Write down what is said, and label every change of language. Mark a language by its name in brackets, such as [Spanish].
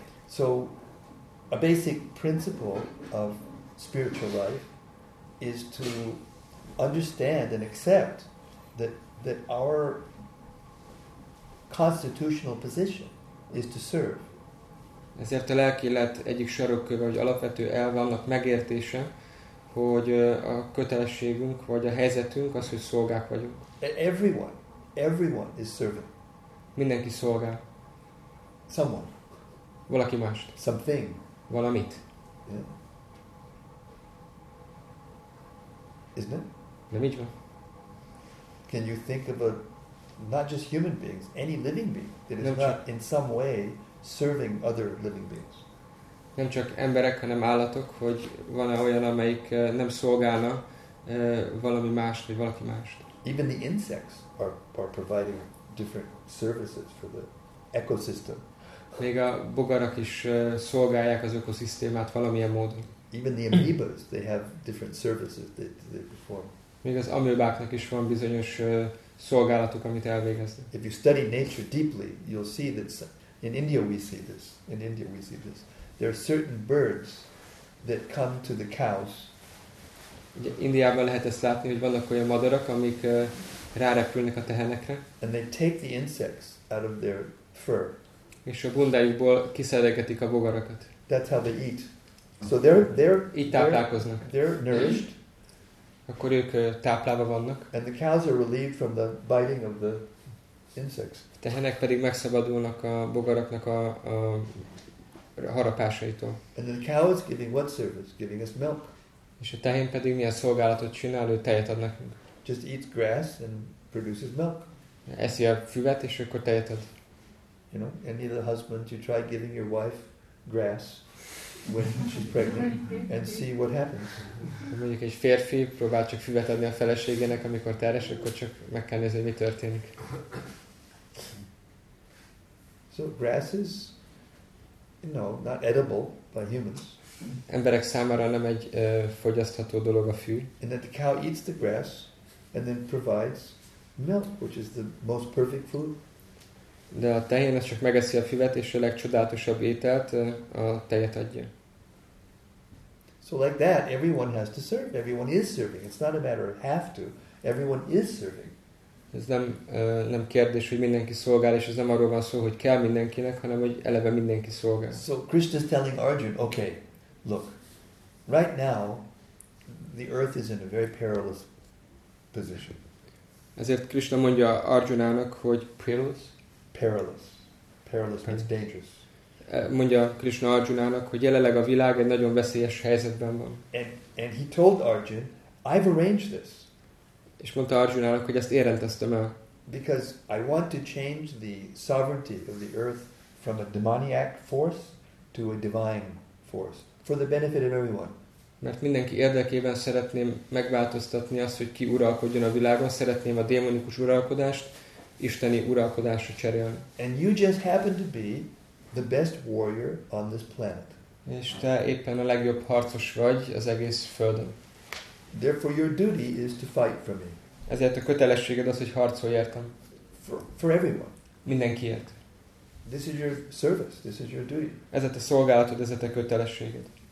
[English] So, a basic principle of spiritual life is to understand and accept that our constitutional position is to serve. [Hungarian] Ezért a lelki élet egyik sarokköve, vagy alapvető elve annak megértése, hogy a kötelességünk, vagy a helyzetünk az, hogy szolgák vagyunk. [English] Everyone is servant. [Hungarian] Mindenki szolgál. [English] Someone. [Hungarian] Valaki más. [English] Something. [Hungarian] Valamit. [English] Yeah. Isn't it? [Hungarian] Nem így van. [English] Can you think of not just human beings, any living being that is not in some way serving other living beings? [Hungarian] Nem csak emberek, hanem állatok, hogy van-e olyan, amelyik nem szolgálna valami mást, vagy valaki mást. [English] Even the insects are providing different services for the ecosystem. [Hungarian] Még a bogarak is szolgálják az ökoszisztémát valamilyen módon. [English] Even the amoebas, they have different services that they perform. [Hungarian] Még az amőbáknak is van bizonyos szolgálatuk, amit elvégeznek. [English] If you study nature deeply, you'll see that in India we see this. In India we see this. There are certain birds that come to the cows. [Hungarian] Indiában lehet ezt látni, hogy vannak olyan madarak, amik rárepülnek a tehenekre. [English] And they take the insects out of their fur. [Hungarian] És a bundájukból kiszedegetik a bogarakat. [English] That's how they eat. So they're [Hungarian] így táplálkoznak. [English] They're nourished. [Hungarian] Akkor ők táplálva vannak. [English] And the cows are relieved from the biting of the insects. [Hungarian] Tehenek pedig megszabadulnak a bogaraknak a harapásaitól. [English] And the cow is giving what service? Giving us milk. [Hungarian] És a tehén pedig milyen szolgálatot csinál, ő tejet ad nekünk. [English] Just eats grass and produces milk. [Hungarian] Eszi a füvet, és akkor tejet ad. [English] You know, any other husband, you try giving your wife grass when she's pregnant and see what happens. [Hungarian] Mondjuk egy férfi próbál csak füvet adni a feleségének, amikor terhes, akkor csak meg kell nézni, mi történik. [English] So grass is, you know, not edible by humans. [Hungarian] Emberek számára nem egy fogyasztható dolog a fű. [English] And that the cow eats the grass and then provides milk, which is the most perfect food. [Hungarian] De a tehén az csak megeszi a füvet, és a legcsodálatosabb ételt, a tejet adja. [English] So like that, everyone has to serve. Everyone is serving. It's not a matter of have to. Everyone is serving. [Hungarian] Ez nem kérdés, hogy mindenki szolgál, és ez nem arról van szó, hogy kell mindenkinek, hanem hogy eleve mindenki szolgál. [English] So Krishna is telling Arjuna, okay, look, right now, the earth is in a very perilous position. [Hungarian] Ezért Krishna mondja Arjunának, hogy perilous? [English] Perilous means dangerous. [Hungarian] Mondja Krishna Arjunának, hogy jelenleg a világ egy nagyon veszélyes helyzetben van. [English] And he told Arjun, I've arranged this. [Hungarian] És mondta Arjunának, hogy ezt én rendeztem el. [English] Because I want to change the sovereignty of the earth from a demoniac force to a divine force for the benefit of everyone. [Hungarian] Mert mindenki érdekében szeretném megváltoztatni azt, hogy ki uralkodjon a világon, szeretném a démonikus uralkodást isteni uralkodásra cserélni. [English] And you just happen to be the best warrior on this planet. [Hungarian] És te éppen a legjobb harcos vagy az egész földön. [English] Therefore your duty is to fight for me. [Hungarian] Ezért a kötelességed az, hogy harcolj értem. [English] For everyone. [Hungarian] Mindenkiért. [English] This is your service. This is your duty. [Hungarian] Ez a te szolgálatod, ez a te kötelességed.